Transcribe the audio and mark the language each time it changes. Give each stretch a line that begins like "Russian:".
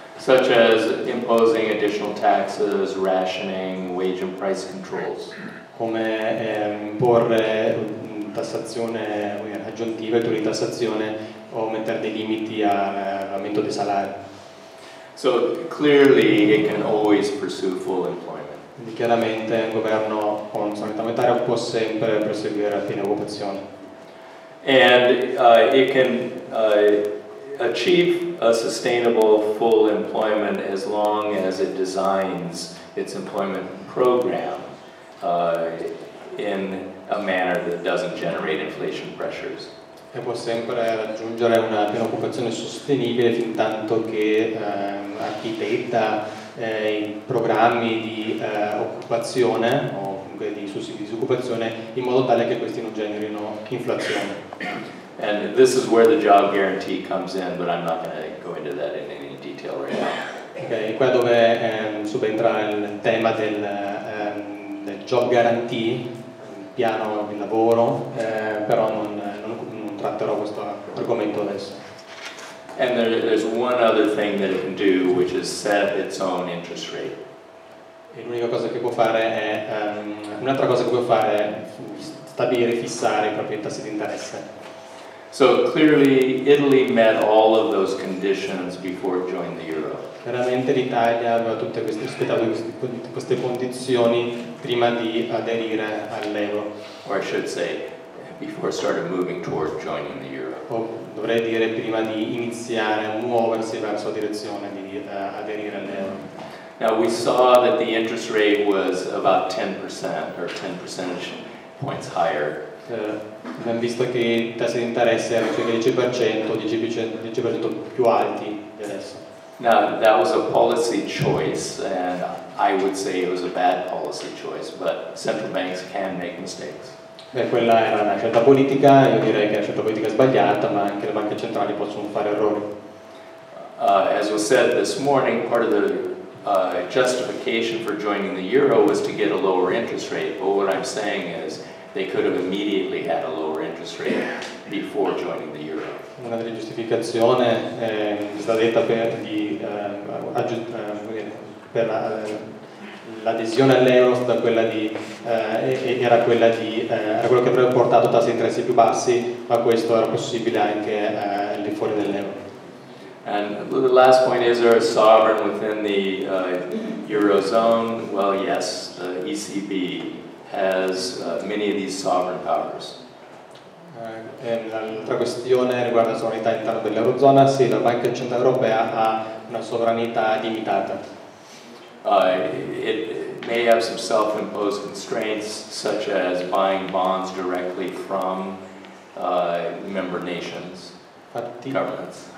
English: Such as imposing additional taxes, rationing, wage and price controls.
Italian: Come imporre tassazione aggiuntiva e tassazione o mettere dei limiti all'aumento dei salari.
English: So clearly it can always pursue full employment.
Italian: Chiaramente un governo con sovranità monetaria può sempre perseguire a piena occupazione.
English: And it can achieve a sustainable full employment as long as it designs its employment program in a manner that doesn't generate inflation pressures.
Italian: E può sempre raggiungere una piena occupazione sostenibile fin tanto che architetta i programmi di occupazione o comunque di sussidi di disoccupazione in modo tale che questi non generino inflazione.
English: And this is where the job guarantee comes in, but I'm not going to go into that in any detail right now.
Italian: Okay, qua dove subentra il tema del, del job guarantee, piano di lavoro, però non tratterò questo argomento adesso.
English: And there's one other thing that it can do, which is set its own interest rate.
Italian: E l'unica cosa che può fare è un'altra cosa che può fare è stabilire, fissare i propri tassi di interesse.
English: So clearly Italy met all of those conditions before it joined the euro.
Italian: Veramente l'Italia aveva tutte queste, queste condizioni prima di aderire all'euro.
English: Or I should say, before it started moving toward joining the euro.
Italian: O dovrei dire prima di iniziare a muoversi verso la direzione di aderire all'euro.
English: Now we saw that the interest rate was about 10% or 10 percentage points higher.
Italian: Abbiamo visto che il tasso di interesse era circa 10% più alti di adesso.
English: Now that was a policy choice, and I would say it was a bad policy choice, but central banks can make mistakes.
Italian: Beh, quella era una scelta politica, io direi che è una scelta politica sbagliata, ma anche le banche centrali possono fare errori.
English: As was said this morning, part of the justification for joining the euro was to get a lower interest rate, but what I'm saying is they could have immediately had a lower interest rate before joining the euro.
Italian: Una delle giustificazioni sta detta per l'adesione all'euro sta quella di era quella di era quello che avrebbe portato tassi di interesse più bassi, ma questo era possibile anche al di fuori dell'euro.
English: And the last point is, there a sovereign within the Eurozone? Well, yes, the ECB has many of these sovereign powers.
Italian: L'altra questione riguarda la sovranità interna dell'Eurozona. Sì, la Banca Centrale Europea ha una sovranità limitata.
English: It may have some self-imposed constraints, such as buying bonds directly from member nations, governments.